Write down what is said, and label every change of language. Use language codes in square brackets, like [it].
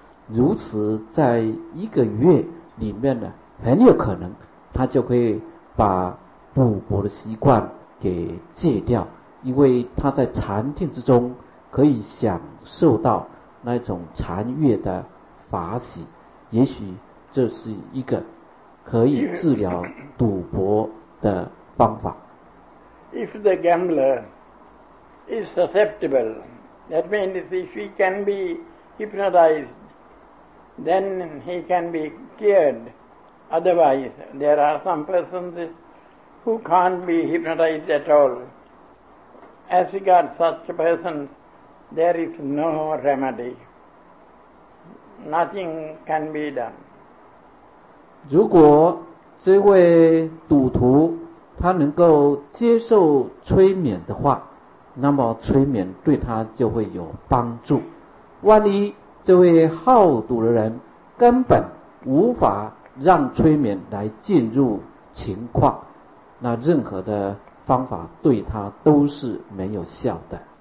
[zh] 如此在一个月里面呢, 很有可能他就可以把赌博的习惯给戒掉, 因为他在禅定之中可以享受到那种禅悦的法喜, 也许这是一个可以治疗赌博的方法。 [en] If the gambler is susceptible, that means if he can be hypnotized, then he can be cured. Otherwise, there are some persons who can't be hypnotized at all. As regards such persons, there is no remedy. Nothing can be done. [zh] 如果这位赌徒他能够接受催眠的话, 那么催眠对他就会有帮助。万一这位好赌的人根本无法让催眠来进入情况, 那任何的方法对他都是没有效的。